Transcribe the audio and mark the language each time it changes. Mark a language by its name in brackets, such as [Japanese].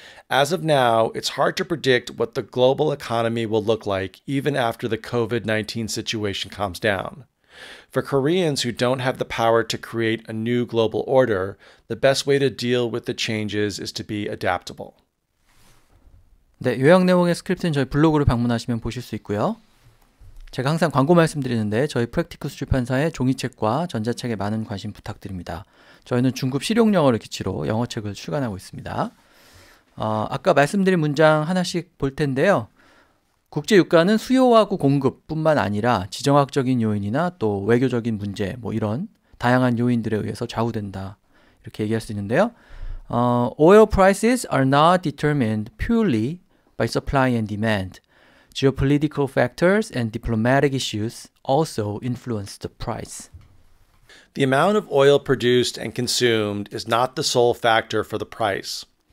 [English] As of now, it's hard to predict what the global economy will look like even after the COVID-19 situation calms down. For Koreans who don't have the power to create a new global order, the best way to deal with the changes is to be adaptable. [Korean] 네, 요약 내용의 스크립트는 저희 블로그를 방문하시면 보실 수 있고요. 제가 항상 광고 말씀드리는데 저희 프랙티쿠스 출판사의 종이책과 전자책에 많은 관심 부탁드립니다. 저희는 중급 실용 영어를 기치로 영어책을 출간하고 있습니다. 아까 말씀드린 문장 하나씩 볼 텐데요. 국제 유가는 수요하고 공급뿐만 아니라 지정학적인 요인이나 또 외교적인 문제 뭐 이런 다양한 요인들에 의해서 좌우된다 이렇게 얘기할 수 있는데요. [English] Oil prices are not determined purely by supply and demand. Geopolitical factors and diplomatic issues also influence the price. The amount of oil produced and consumed is not the sole factor for the price.